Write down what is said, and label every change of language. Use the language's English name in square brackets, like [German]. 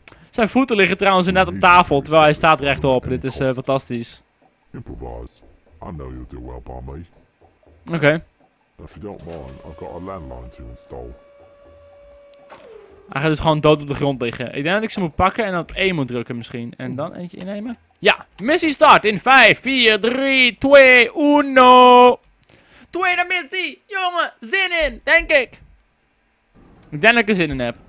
[Dutch] Zijn voeten liggen trouwens net op tafel, terwijl hij staat rechtop. Dit is fantastisch. [English] Improvise. I know you'll do well by me. [Dutch] Oké. [English] If you don't mind, I've got a landline to install. [Dutch] Hij gaat dus gewoon dood op de grond liggen. Ik denk dat ik ze moet pakken en op 1 moet drukken misschien. En dan eentje innemen. Ja, missie start in 5, 4, 3, 2, 1. Tweede missie. Jongen, zin in, denk ik. Ik denk dat ik er zin in heb.